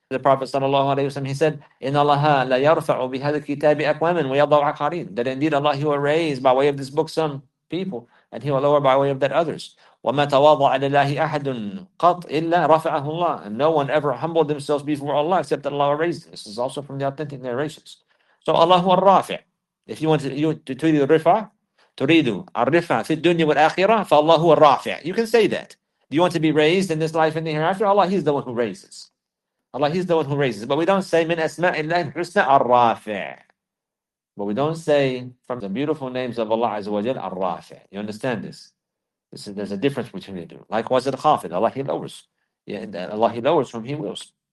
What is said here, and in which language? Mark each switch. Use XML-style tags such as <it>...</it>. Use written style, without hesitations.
<en>The Prophet sallallahu alayhi wa sallam, he said,</en> <ar>إِنَّ اللَّهَ لَيَرْفَعُ بِهَذَا الْكِتَابِ أَقْوَامًا وَيَضَعُ عَقَارِينَ.</ar> <en>That indeed Allah, He will raise by way of this book some people, and He will lower by way of that others.</en> <ar>وَمَا تَوَاضَعَ لِلَّهِ أَحَدٌ قَطْ إِلَّا رَفَعَهُ اللَّهُ.</ar> <en>And no one ever humbled themselves before Allah except that Allah raised them. This is also from the authentic narrations. So Allah هو الرافع. If you want to rifa,</en> <ar>تُرِيدُ الرِّفَعَ فِي الدُّنْيَا وَالْآخِرَةِ فَاللَّهُ هُوَ الرَّافِعُ.</ar> <en>You can say that. Do you want to be raised in this life and the hereafter? Allah, He's the one who raises. Allah, He's the one who raises. But we don't say</en> <ar>مِنْ أَسْمَاءِ اللَّهِ الْحُسْنَى الرَّافِعُ.</ar> <en>But we don't say from the beautiful names of Allah Azza wa Jal الرَّافِعُ. You understand this? There's a difference between the two. Likewise, the الْخَافِدُ. Allah, He lowers. Yeah, Allah, He lowers from He wills.</en>